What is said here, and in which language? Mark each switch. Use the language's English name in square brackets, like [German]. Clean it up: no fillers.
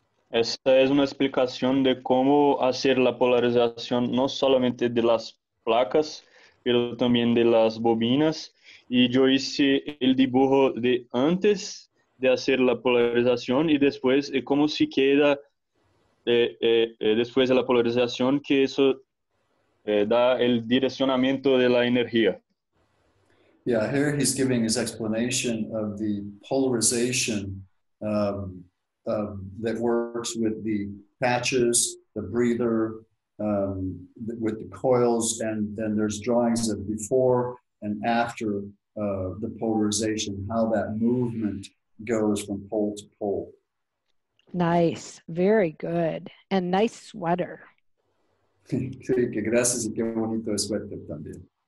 [Portuguese] Esta é uma explicação de como fazer a polarização não somente [Spanish] de las placas, pero [Portuguese] também [Spanish] de las bobinas. [Portuguese] E eu hice o dibujo de antes de fazer a polarização e depois, e [Spanish] como se queda [Portuguese] depois da polarização, que isso dá o direcionamento da energia. [English] Yeah, here he's giving his explanation of the polarization that works with the patches, the breather, with the coils, and then there's drawings of before and after the polarization, how that movement goes from pole to pole. Nice, very good. And nice sweater. [Spanish] Sí, que gracias y que bonito el suéter también.